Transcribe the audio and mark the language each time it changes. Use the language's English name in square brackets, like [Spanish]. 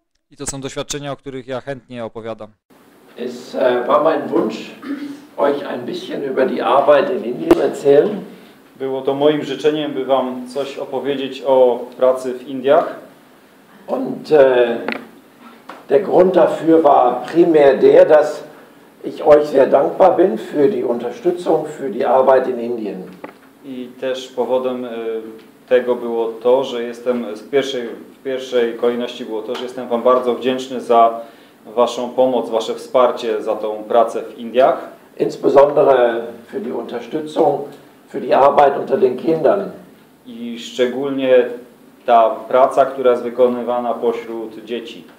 [Polish] I to są doświadczenia, o których ja chętnie opowiadam. [German] Es war mein Wunsch, euch ein bisschen über die Arbeit in Indien erzählen. [Polish] Było to moim życzeniem, by Wam coś opowiedzieć o pracy w Indiach. [German] Und der Grund dafür war primär der, dass ich euch sehr dankbar bin für die Unterstützung für die Arbeit in Indien. [Polish] I też powodem tego było to, że jestem w pierwszej kolejności było to, że jestem wam bardzo wdzięczny za waszą pomoc, wasze wsparcie za tą pracę w Indiach. [German] Insbesondere für die Unterstützung für die Arbeit unter den Kindern. [Polish] I szczególnie ta praca, która jest wykonywana pośród dzieci.